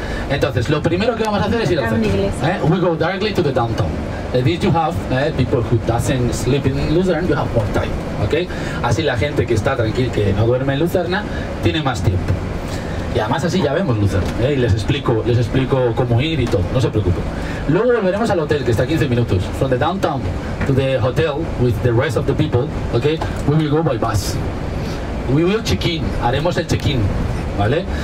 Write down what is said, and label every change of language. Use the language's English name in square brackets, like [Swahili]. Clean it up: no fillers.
[Spanish] Entonces, lo primero que vamos a hacer es ir al centro. [English] We go directly to the downtown. This you have people who doesn't sleep in Lucerne, you have more time, ¿ok? [Spanish] Así la gente que está tranquila, que no duerme en Lucerna, tiene más tiempo. Y además así ya vemos Lucerna, ¿eh? Y les explico cómo ir y todo, no se preocupen. Luego volveremos al hotel, que está a 15 minutos. [English] From the downtown to the hotel with the rest of the people, ¿ok? We will go by bus. We will check in, [Spanish] haremos el check-in, ¿vale?